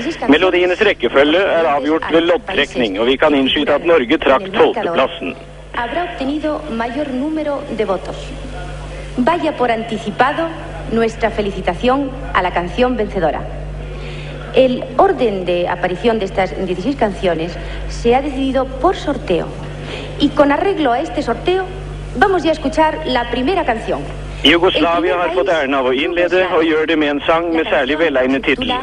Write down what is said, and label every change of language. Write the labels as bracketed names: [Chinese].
[Norwegian] Melodienes rekkefølge avgjort ved loddtrekning, og vi kan innskyte at Norge trakk 12. Plassen. [Spanish] Habrá obtenido mayor número de votos. Vaya por anticipado nuestra felicitación a la canción vencedora. El orden de aparición de estas 16 canciones se ha decidido por sorteo. Y con arreglo a este sorteo, vamos ya a escuchar la primera canción. [Norwegian] Yugoslavia har fått æren av å innlede og gjør det med en sang med særlig velegnet titel.